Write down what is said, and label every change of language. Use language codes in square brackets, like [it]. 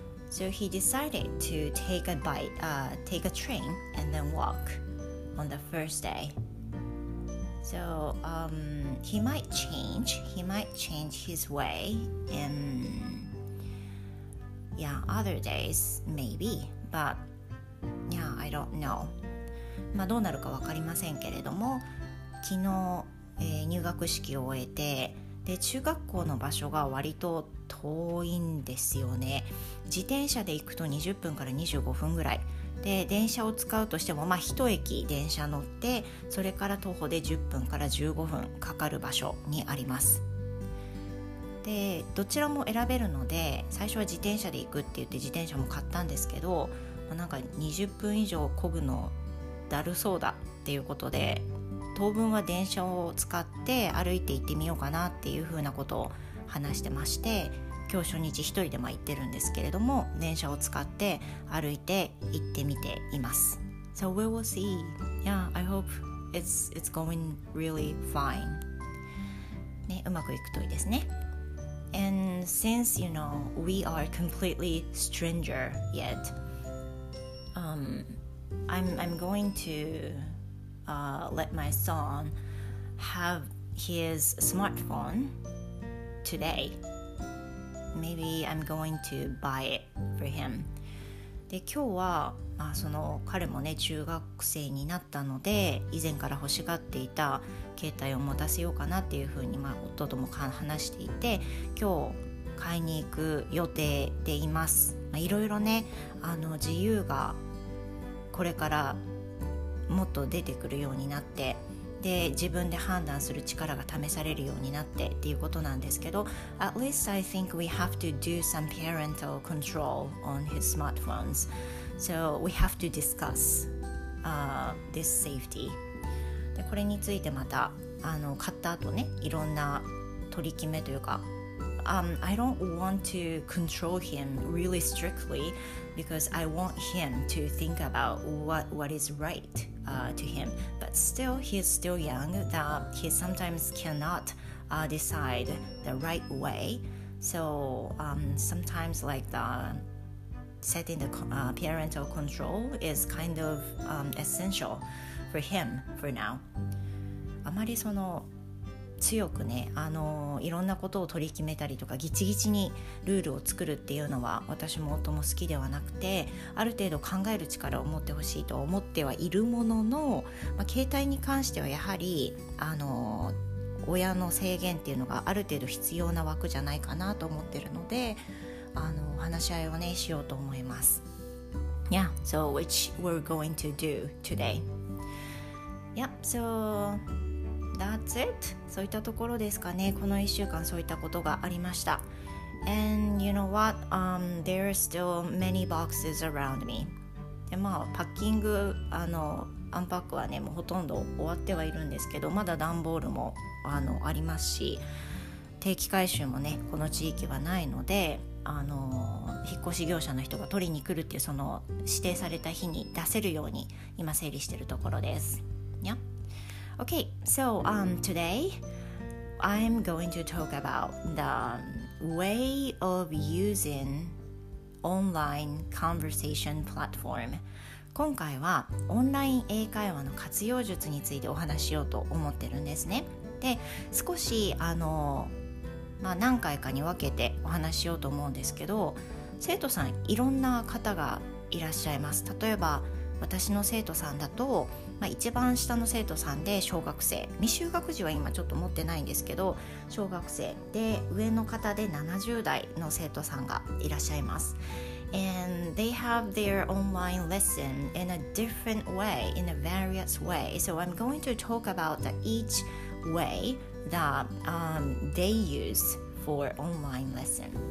[en] So he decided to take a train and then walk on the first day. So he might change his way in other days maybe, but yeah, I don't know. [ja] まあどうなるかわかりませんけれども、昨日入学式を終えて、で中学校の場所が割と遠いんですよね。自転車で行くと20分から25分ぐらいで、電車を使うとしても一駅電車乗って、それから徒歩で10分から15分かかる場所にあります。でどちらも選べるので、最初は自転車で行くって言って自転車も買ったんですけど、なんか20分以上漕ぐのだるそうだっていうことで、当分は電車を使って歩いて行ってみようかなっていうふうなことを話してまして、今日初日一人で行ってるんですけれども、電車を使って歩いて行ってみています。 [en] So we will see. Yeah, I hope it's going really fine. [ja] ね、うまくいくといいですね。 [en] And since, you know, we are completely stranger yet, I'm going to let my son have his smartphone today. Maybe I'm going to buy it for him. [ja] で今日は、まあ、その彼もね中学生になったので以前から欲しがっていた携帯を持たせようかなっていうふうに、まあ、夫とも話していて今日買いに行く予定でいます。いろいろねあの自由がこれからもっと出てくるようになってで自分で判断する力が試されるようになってっていうことなんですけど [en] At least I think we have to do some parental control on his smartphones. So we have to discuss this safety. [ja] でこれについてまたあの買った後ねいろんな取り決めというか [en] I don't want to control him really strictly because I want him to think about what is right to him. But still, he is still young that he sometimes cannot decide the right way. So sometimes like the setting the parental control is kind of essential for him for now. [ja] あまりその強くね、あのいろんなことを取り決めたりとかギチギチにルールを作るっていうのは私も夫も好きではなくてある程度考える力を持ってほしいと思ってはいるものの、まあ、携帯に関してはやはりあの親の制限っていうのがある程度必要な枠じゃないかなと思ってるのであの話し合いをねしようと思います。 [en] Yeah, so which we're going to do today. Yep, soThat's it. [ja] そういったところですかね。この1週間そういったことがありました。 [en] And you know what? There are still many boxes around me. [ja] で、まあ、パッキング、あの、アンパックはね、もうほとんど終わってはいるんですけど、まだ段ボールも、あの、ありますし、定期回収もね、この地域はないので、あの、引っ越し業者の人が取りに来るっていう、その指定された日に出せるように、今整理しているところです。 [en] Yep. Okay, so today I'm going to talk about the way of using online conversation platform. [ja] 今回はオンライン英会話の活用術についてお話しようと思ってるんですね。で、少しあの、まあ、何回かに分けてお話しようと思うんですけど、生徒さんいろんな方がいらっしゃいます。例えば私の生徒さんだと、まあ、一番下の生徒さんで小学生未就学児は今ちょっと持ってないんですけど小学生で上の方で70代の生徒さんがいらっしゃいます [en] And they have their online lesson in a different way in a various way So I'm going to talk about the each way that they use for online lesson